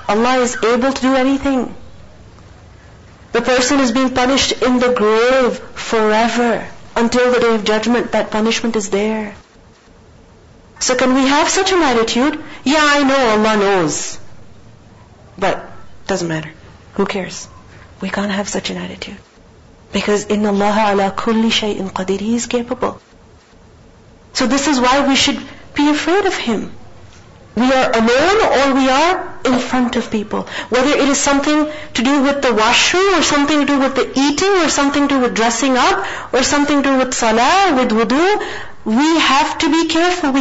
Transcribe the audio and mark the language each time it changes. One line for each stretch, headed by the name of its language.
English: Allah is able to do anything. The person is being punished in the grave forever until the day of judgment. That punishment is there. So can we have such an attitude? Yeah, I know, Allah knows. But doesn't matter. Who cares? We can't have such an attitude.
Arabic: Because إِنَّ اللَّهَ عَلَىٰ كُلِّ شَيْءٍ قَدِيرٍ.
English: He is capable. So this is why we should be afraid of Him. We are alone or we are in front of people. Whether it is something to do with the washroom or something to do with the eating or something to do with dressing up or something to do with salah, with wudu, we have to be careful.